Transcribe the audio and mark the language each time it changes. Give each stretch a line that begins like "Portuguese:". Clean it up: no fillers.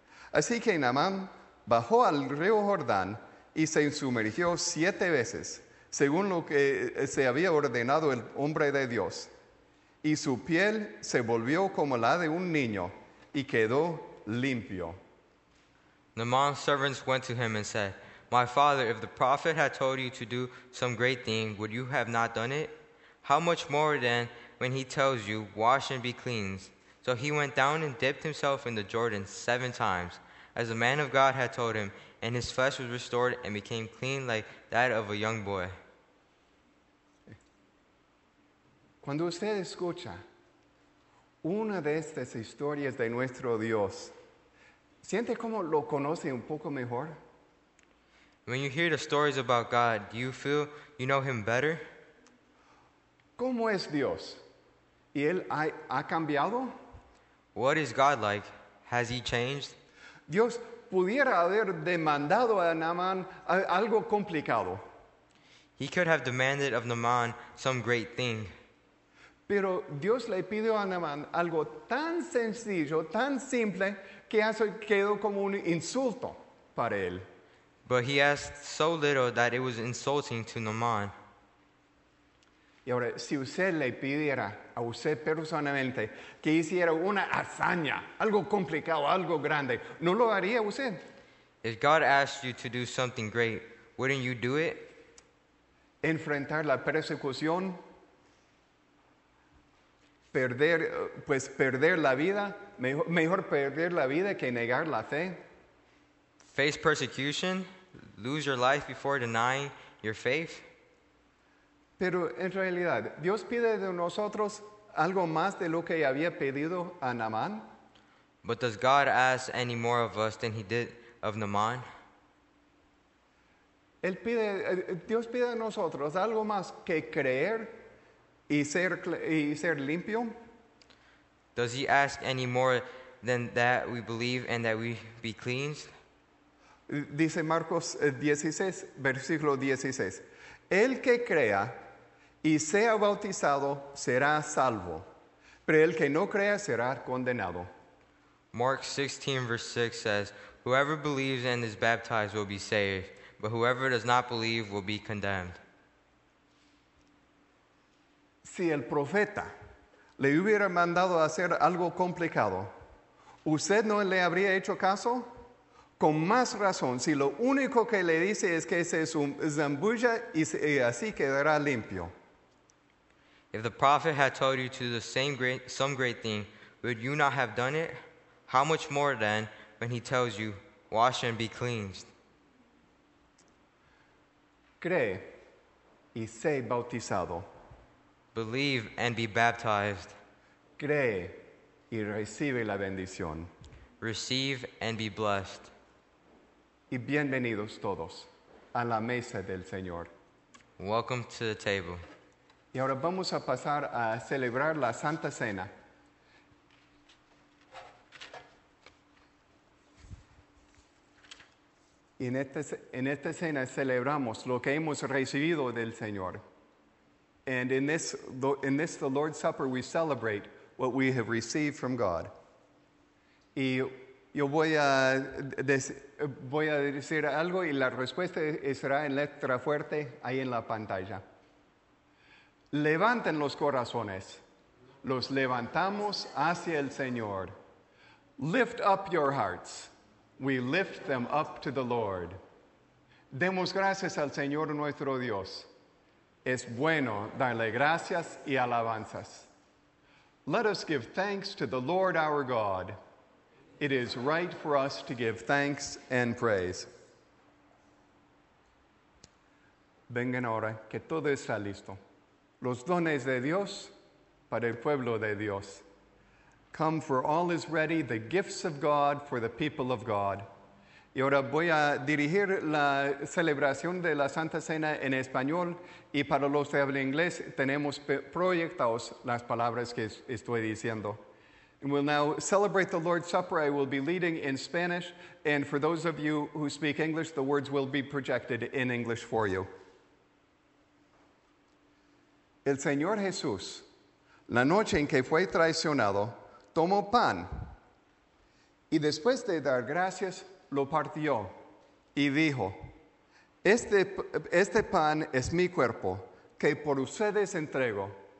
Spanish: Así que Naamán bajó al río Jordán y se sumergió 7 veces, según lo que se había ordenado el hombre de Dios. Y su piel se volvió como la de un niño y quedó limpio.
English: Naamán's servants went to him and said, My father, if the prophet had told you to do some great thing, would you have not done it? How much more then when he tells you, wash and be cleansed? So he went down and dipped himself in the Jordan 7 times, as the man of God had told him, and his flesh was restored and became clean like that of a young boy.
Spanish: Cuando usted escucha una de estas historias de nuestro Dios, ¿siente cómo lo conoce un poco mejor?
English: When you hear the stories about God, do you feel you know him better?
Spanish: ¿Cómo es Dios? ¿Y él ha cambiado?
English: What is God like? Has he changed?
Spanish: Dios pudiera haber demandado a Naamán algo complicado.
English: He could have demanded of Naamán some great thing.
Spanish: Pero Dios le pidió a Naamán algo tan sencillo, tan simple, que eso quedó como un insulto para él.
English: But he asked so little that it was insulting to Naamán.
Spanish: Y ahora, si usted le pidiera a usted personalmente que hiciera una hazaña, algo complicado, algo grande, ¿no lo haría usted?
English: If God asked you to do something great, wouldn't you do it?
Spanish: Enfrentar la persecución, perder la vida, mejor perder la vida que negar la fe.
English: Face persecution, lose your life before denying your faith.
Spanish: Pero en realidad, Dios pide de nosotros algo más de lo que había pedido a Naamán.
English: But does God ask any more of us than he did of Naaman.
Spanish: Dios pide a nosotros algo más que creer y ser limpio.
English: Does he ask any more than that we believe and that we be cleansed?
Spanish: Dice Marcos 16, versículo 16. El que crea y sea bautizado será salvo, pero el que no crea será condenado.
English: Mark 16, verse 6 says, whoever believes and is baptized will be saved, but whoever does not believe will be condemned.
Spanish: Si el profeta le hubiera mandado a hacer algo complicado, ¿usted no le habría hecho caso? Con más razón, si lo único que le dice es que se zambulla y así quedará limpio.
English: If the prophet had told you to do some great thing, would you not have done it? How much more then, when he tells you, wash and be cleansed?
Spanish: Cree y sé bautizado.
English: Believe and be baptized.
Spanish: Cree y recibe la bendición.
English: Receive and be blessed.
Spanish: Y bienvenidos todos a la mesa del Señor.
English: Welcome to the table.
Spanish: Y ahora vamos a pasar a celebrar la Santa Cena. Y en esta cena celebramos lo que hemos recibido del Señor.
English: And in this the Lord's Supper we celebrate what we have received from God.
Spanish: Y yo voy a decir algo y la respuesta será en letra fuerte ahí en la pantalla. Levanten los corazones. Los levantamos hacia el Señor.
English: Lift up your hearts. We lift them up to the Lord.
Spanish: Demos gracias al Señor nuestro Dios. Es bueno darle gracias y alabanzas.
English: Let us give thanks to the Lord our God. It is right for us to give thanks and praise.
Spanish: Vengan ahora, que todo está listo. Los dones de Dios para el pueblo de Dios.
English: Come, for all is ready, the gifts of God for the people of God.
Spanish: Y ahora voy a dirigir la celebración de la Santa Cena en español, y para los que hablan inglés, tenemos proyectados las palabras que estoy diciendo.
English: And we'll now celebrate the Lord's Supper. I will be leading in Spanish, and for those of you who speak English, the words will be projected in English for you.
Spanish: El Señor Jesús, la noche en que fue traicionado, tomó pan, y después de dar gracias, lo partió, y dijo, Este pan es mi cuerpo, que por ustedes entrego.